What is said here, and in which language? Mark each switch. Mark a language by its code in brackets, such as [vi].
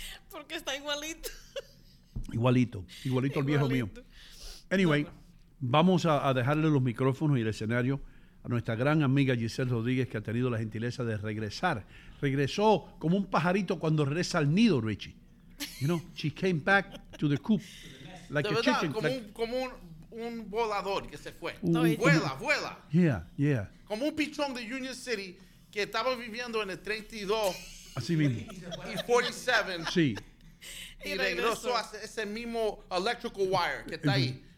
[es] Porque está igualito. Igualito al viejo mío. Anyway, bueno. Vamos a dejarle los micrófonos y el escenario a nuestra gran amiga Giselle Rodríguez, que ha tenido la gentileza de regresar. Regresó como un pajarito cuando regresa al nido, Richie. [en] You know, she came back to the coop. [es] Like de verdad, chicken, como un volador que se fue. Vuela. [en] Yeah, yeah. [es] Como un pichón de Union City que estaba viviendo en el 32. Así mismo. Y 47. Sí. Y regresó a ese mismo [en] electrical wire [es] que está ahí.